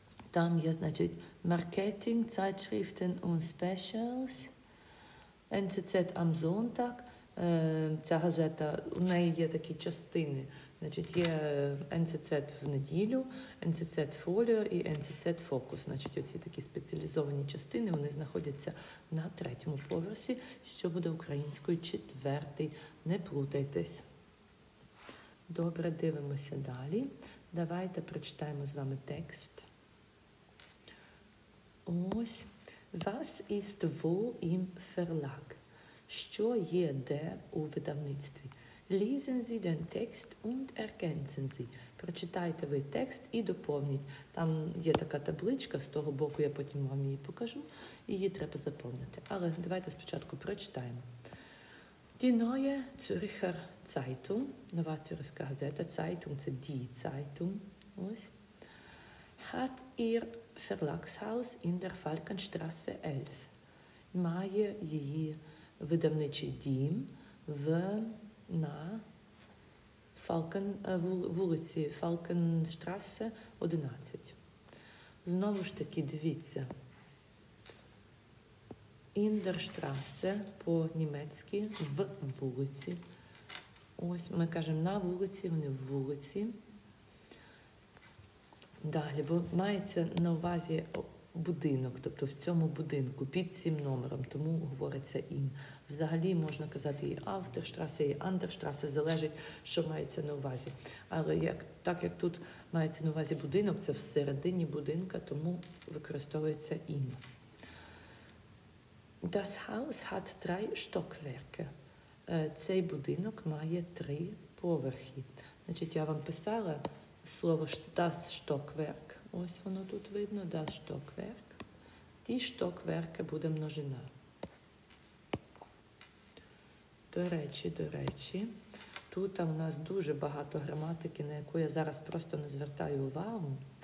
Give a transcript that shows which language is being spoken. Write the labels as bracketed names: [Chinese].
[Ukrainian] Там є, значить, маркетинг, цайтшрифтен і спешалс, НЦЦ am Sonntag, ця газета, у неї є такі частини, значить, є НЦЦ в неділю, НЦЦ фоліо і НЦЦ фокус, значить, оці такі спеціалізовані частини, вони знаходяться на третьому поверсі, що буде українською четвертий, не плутайтесь. Добре, дивимося далі, давайте прочитаємо з вами текст. [German] Ось, was ist wo im Verlag? [Ukrainian] Що є де у видавництві? [German] Lesen Sie den Text und ergänzen Sie. [Ukrainian] Прочитайте ви текст і доповніть. Там є така табличка, з того боку я потім вам її покажу. Її треба заповнити. Але давайте спочатку прочитаємо. [German] Die neue Zürcher Zeitung, [Ukrainian] нова цюрихська газета, [German] Zeitung, це Die Zeitung, ось, hat ihr Verlagshaus in der Falkenstraße 11. [Ukrainian] Має її видавничий дім в на Falken, вулиці Falkenstraße 11. Знову ж таки, дивіться. [German] In der Straße [Ukrainian] по-німецьки в вулиці. Ось ми кажемо на вулиці, вони в вулиці. Далі, бо мається на увазі будинок, тобто в цьому будинку, під цим номером, тому говориться «ін». Взагалі можна казати і «Автерштрасе», і «Андерштрасе», залежить, що мається на увазі. Але як, так як тут мається на увазі будинок, це всередині будинка, тому використовується «ін». [German] Das Haus hat drei Stockwerke. [Ukrainian] Цей будинок має три поверхи. Значить, я вам писала слово «das Stockwerk», ось воно тут видно, «das Stockwerk», «ті Stockwerke» буде множина. До речі, тут у нас дуже багато граматики, на яку я зараз просто не звертаю увагу.